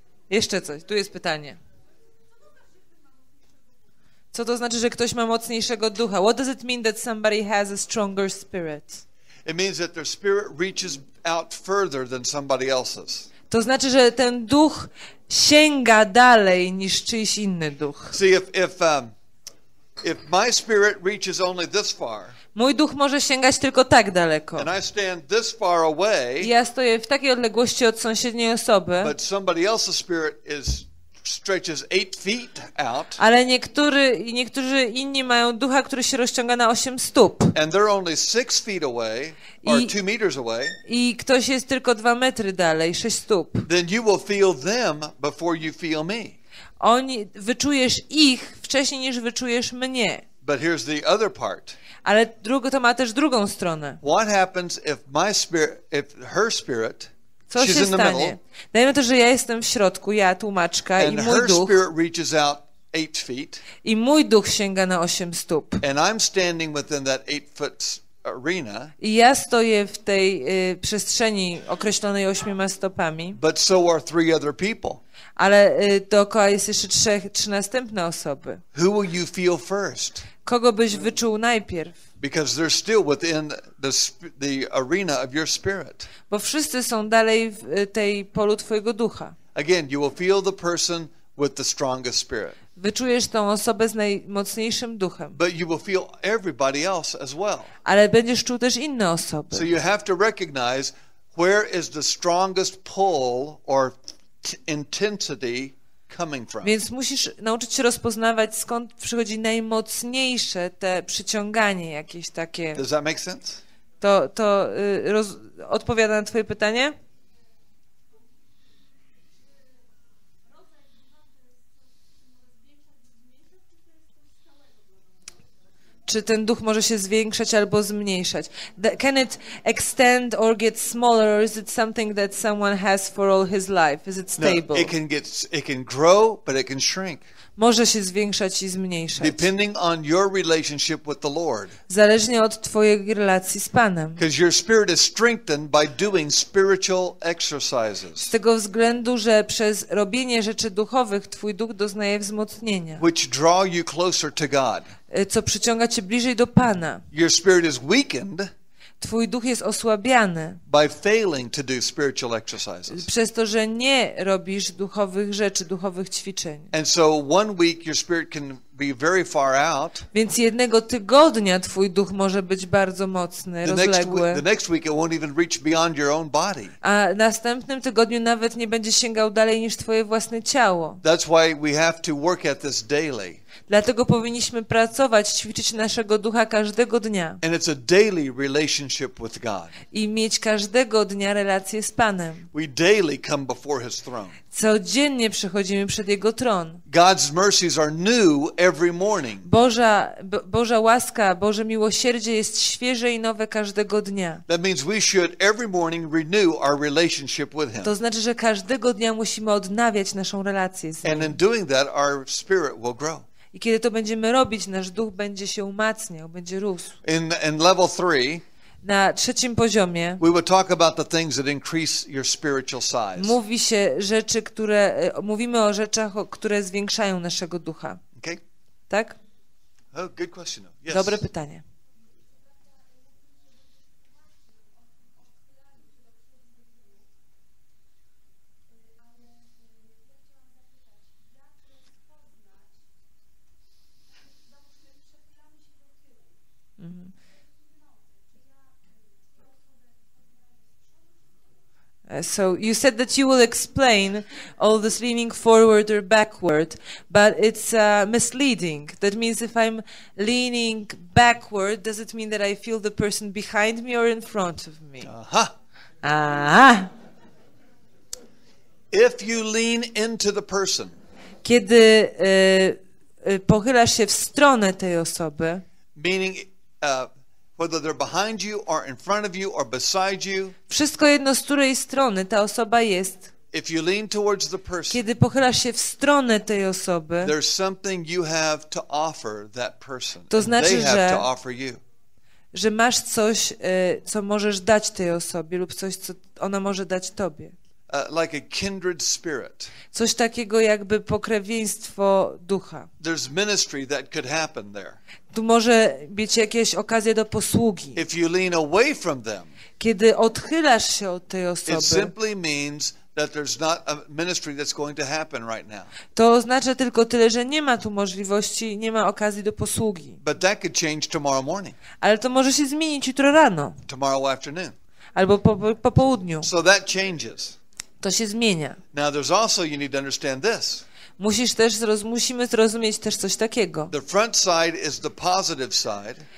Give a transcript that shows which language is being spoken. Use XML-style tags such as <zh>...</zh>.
<pl>Jeszcze coś, tu jest pytanie. Co to znaczy, że ktoś ma mocniejszego ducha?</pl> <en>What does it mean that somebody has a stronger spirit? It means that their spirit reaches out further than somebody else's.</en> <pl>To znaczy, że ten duch sięga dalej niż czyjś inny duch.</pl> <en>See, if my spirit reaches only this far.</en> <pl>Mój duch może sięgać tylko tak daleko.</pl> <en>And I stand this far away.</en> <pl>Ja stoję w takiej odległości od sąsiedniej osoby.</pl> <en>But somebody else's spirit is stretches 8 feet out.</en> <pl>Ale niektórzy inni mają ducha, który się rozciąga na 8 stóp.</pl> <en>And they're only 6 feet away or 2 meters away.</en> <pl>I ktoś jest tylko 2 metry dalej, 6 stóp.</pl> <en>Then you will feel them before you feel me.</en> <pl>Wyczujesz ich wcześniej niż wyczujesz mnie.</pl> <en>But here's the other part.</en> <pl>Ale to ma też drugą stronę.</pl> <en>What happens if my spirit, if her spirit</en> <pl>Co się</pl> <en>She's</en> <pl>stanie? Dajmy to, że ja jestem w środku, ja tłumaczka</pl> <en>and</en> <pl>i mój duch.</pl> <en>Spirit reaches out 8 feet,</en> <pl>i mój duch sięga na 8 stóp.</pl> <en>And I'm standing within that 8-foot arena,</en> <pl>i ja stoję w tej przestrzeni określonej 8 stopami.</pl> <en>But so are three other people.</en> <pl>Ale dookoła jest jeszcze trzy następne osoby.</pl> <en>Who will you feel first?</en> <pl>Kogo byś wyczuł najpierw?</pl> <en>Because they're still within the arena of your spirit.</en> <pl>Bo wszyscy są dalej w tej polu twojego ducha.</pl> <en>Again, you will feel the person with the strongest spirit.</en> <pl>Wyczujesz tą osobę z najmocniejszym duchem.</pl> <en>But you will feel everybody else as well.</en> <pl>Ale będziesz czuł też inne osoby.</pl> <en>So you have to recognize where is the strongest pull or intensity coming from.</en> <pl>Więc musisz nauczyć się rozpoznawać, skąd przychodzi najmocniejsze te przyciąganie jakieś takie.</pl> <en>Does that make sense?</en> <pl>To odpowiada na twoje pytanie? Czy ten duch może się zwiększać albo zmniejszać?</pl> <en>Can it extend or get smaller, or is it something that someone has for all his life? Is it stable? No, it can grow, but it can shrink.</en> <pl>Może się zwiększać i zmniejszać.</pl> <en>Depending on your relationship with the Lord.</en> <pl>Zależnie od twojej relacji z Panem.</pl> <en>Because your spirit is strengthened by doing spiritual exercises.</en> <pl>Z tego względu, że przez robienie rzeczy duchowych twój duch doznaje wzmocnienia.</pl> <en>Which draw you closer to God.</en> <pl>Co przyciąga cię bliżej do Pana.</pl> <en>Your spirit is weakened.</en> <pl>Twój duch jest osłabiany</pl> <en>by failing to do spiritual exercises.</en> <pl>Przez to, że nie robisz duchowych rzeczy, duchowych ćwiczeń.</pl> <en>And so one week your spirit can be very far out.</en> <pl>Więc jednego tygodnia twój duch może być bardzo mocny, rozległy.</pl> <en>The next week it won't even reach beyond your own body.</en> <pl>A następnym tygodniu nawet nie będzie sięgał dalej niż twoje własne ciało.</pl> <en>That's why we have to work at this daily.</en> <pl>Dlatego powinniśmy pracować, ćwiczyć naszego ducha każdego dnia.</pl> <en>And it's a daily relationship with God.</en> <pl>I mieć każdego dnia relację z Panem.</pl> <en>We daily come before His throne.</en> <pl>Codziennie przychodzimy przed Jego tron.</pl> <en>God's mercies are new every morning.</en> <pl>Boża łaska, Boże miłosierdzie jest świeże i nowe każdego dnia.</pl> <en>That means we should every morning renew our relationship with Him.</en> <pl>To znaczy, że każdego dnia musimy odnawiać naszą relację z Nim.</pl> <en>And in doing that, our spirit will grow.</en> <pl>I kiedy to będziemy robić, nasz duch będzie się umacniał, będzie rósł.</pl> <en>In level three,</en> <pl>na trzecim poziomie</pl> <en>we will talk about the things that increase your spiritual size.</en> <pl>Mówi się rzeczy, które mówimy o rzeczach, które zwiększają naszego ducha.</pl> <en>Okay.</en> <pl>Tak?</pl> <en>Oh, good question. Yes.</en> <pl>Dobre pytanie.</pl> <en>So you said that you will explain all this leaning forward or backward, but it's misleading. That means if I'm leaning backward, does it mean that I feel the person behind me or in front of me? Aha. Aha. If you lean into the person,</en> <pl>kiedy pochylasz się w stronę tej osoby,</pl> <en>meaning whether they're behind you or in front of you or beside you.</en> <pl>Wszystko jedno, z której strony ta osoba jest.</pl> <en>If you lean towards the person,</en> <pl>kiedy pochylasz się w stronę tej osoby,</pl> <en>there's something you have to offer that person.</en> <pl>To znaczy,</pl> <en>they have to offer you.</en> <pl>Że masz coś, co możesz dać tej osobie lub coś, co ona może dać tobie.</pl> <en>Like a kindred spirit.</en> <pl>Coś takiego jakby pokrewieństwo ducha.</pl> <en>There's ministry that could happen there.</en> <pl>Tu może być jakieś okazje do posługi.</pl> <en>If you lean away from them,</en> <pl>kiedy odchylasz się od tej osoby,</pl> <en>it simply means that there's not a ministry that's going to happen right now.</en> <pl>To oznacza tylko tyle, że nie ma tu możliwości, nie ma okazji do posługi.</pl> <en>But that could change tomorrow morning.</en> <pl>Ale to może się zmienić jutro rano.</pl> <en>Tomorrow afternoon.</en> <pl>Albo po południu.</pl> <en>So that changes.</en> <pl>To się zmienia.</pl> <en>Now there's also, you need to understand this.</en> <pl>Musimy zrozumieć też coś takiego.</pl> <en>The front side is the positive side.</en>